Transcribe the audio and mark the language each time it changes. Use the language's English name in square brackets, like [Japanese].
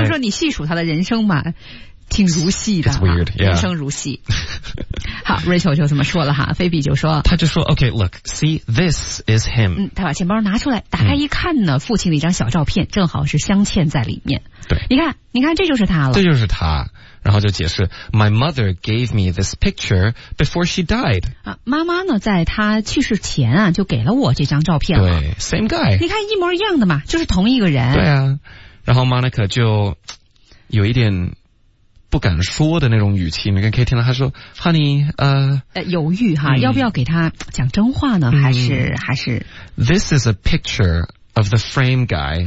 [Chinese] 就是说你细数他的人生嘛挺如戏的、 [English] 啊 weird, yeah. [Chinese] 人生如戏好 Rachel 就这么说了哈菲比就说他就说 [English] OK look see this is him、 [Chinese] 嗯、他把钱包拿出来打开一看呢、嗯、父亲的一张小照片正好是镶嵌在里面对你看这就是他了这就是他然后就解释 [English] My mother gave me this picture before she died、 [Chinese] 啊、妈妈呢在她去世前啊就给了我这张照片了对 [English] same guy [Chinese] 你看一模一样的嘛就是同一个人对啊然后 Monica 就有一点不敢说的那种语气你看可以听到他说 Honey 犹豫哈、嗯、要不要给他讲真话呢、嗯、还是 [English] This is a picture of the frame guy